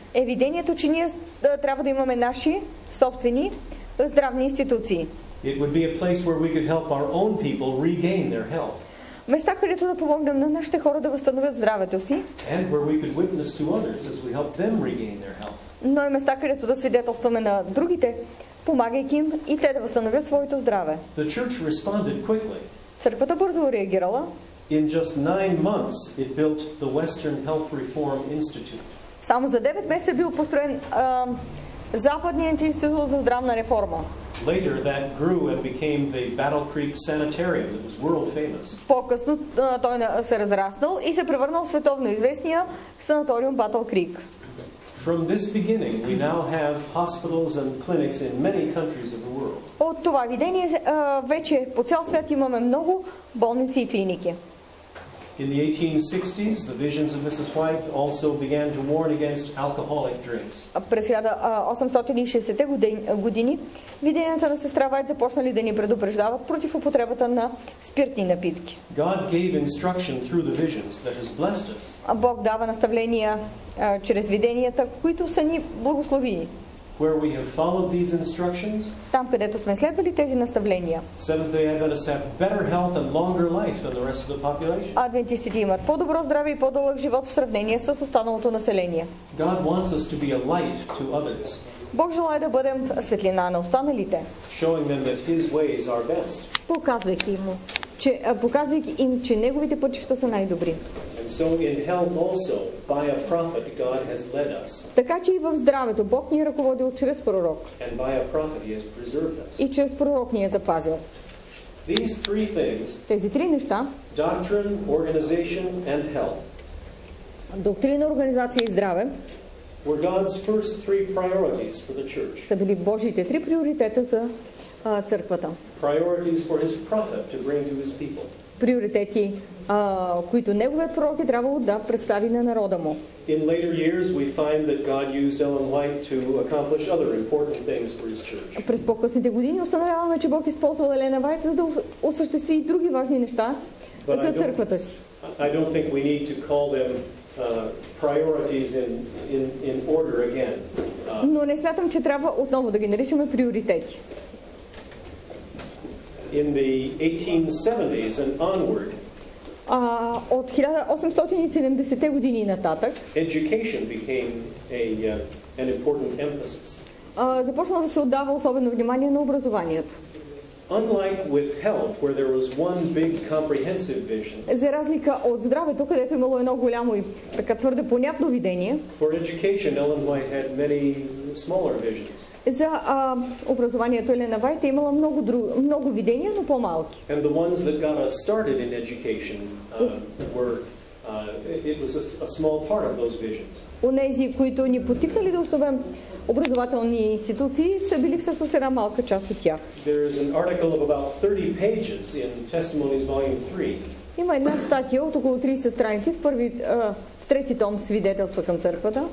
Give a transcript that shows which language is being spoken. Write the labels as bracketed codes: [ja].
[bg] е видението, че ние трябва да имаме наши собствени здравни институции. [en] It would be a place where we could help our own people regain their health. [bg] Места, където да помогнем на нашите хора да възстановят здравето си. [en] And where we could witness to others as we help them regain their health. [bg] Но и места, където да свидетелстваме на другите, помагайки им и те да възстановят своето здраве. [en] The church responded quickly. [bg] Църквата бързо реагирала. [en] In just 9 months it built the Western Health Reform Institute. [bg] Само за 9 месеца бил построен Западният институт за здравна реформа. [en] Later that grew and became the Battle Creek Sanitarium that was world famous. [bg] По-късно той се разраснал и се превърнал в световно известния санаториум Battle Creek. [en] From this beginning we now have hospitals and clinics in many countries of the world. [bg] От това видение вече по цял свят имаме много болници и клиники. [en] In the 1860s, the visions of Mrs. White also began to warn against alcoholic drinks. [bg] През 1860-те години виденията на сестра Вайт започнали да ни предупреждават против употребата на спиртни напитки. [en] God gave instruction through the visions that has blessed us. [bg] Бог дава наставления чрез виденията, които са ни благословили. [en] Where we have followed these instructions, [bg] там, където сме следвали тези наставления, [en] Seventh-day Adventists have better health and longer life than the rest of the population. [bg] Адвентистите имат по-добро здраве и по-дълъг живот в сравнение с останалото население. [en] God wants us to be a light to others. [bg] Бог желая да бъдем светлина на останалите, [en] showing them that His ways are best. [bg] Показвайки им, че показвайки им, че неговите пътища са най-добри. [en] And so in health also, by a prophet God has led us. [bg] Така че и в здравето Бог ни е ръководил чрез пророк. [en] And by a prophet he has preserved us. [bg] И чрез пророк ни е запазил. [en] These three things, [bg] тези три неща, [en] doctrine, organization and health, [bg] доктрина, организация и здраве, [en] were God's first three priorities for the church. [bg] Са били Божиите три приоритета за църквата. [en] Priorities for his prophet to bring to his people. [bg] Приоритети, които неговият пророк е трябвало да представи на народа му. [en] In later years we find that God used Ellen White to accomplish other important things for his church. [bg] През по-късните години установяваме, че Бог използвал Елена Вайт, за да осъществи и други важни неща за църквата си. [en] I don't think we need to call them priorities in order again. [bg] Но не смятам, че трябва отново да ги наричаме приоритети. [en] In the 1870s and onward. [bg] От 1870-те години нататък. [en] Education became an important emphasis. [bg] Започна да се отдава особено внимание на образованието. [en] Unlike with health, where there was one big comprehensive vision. [bg] За разлика от здравето, където имало едно голямо и така твърде понятно видение. [en] For education, Ellen White had many smaller visions. [bg] За образованието Елена Вайт е имала много, много видения, но по-малки. [en] And the ones that got us started in education were it was a small part of those visions. [bg] Онези, които ни потикнали да установим образователни институции, са били всъщност една малка част от тях. [en] There is an article of about 30 pages in Testimonies Volume 3. [bg] Има една статия от около 30 страници в първи в трети том Свидетелства към църквата.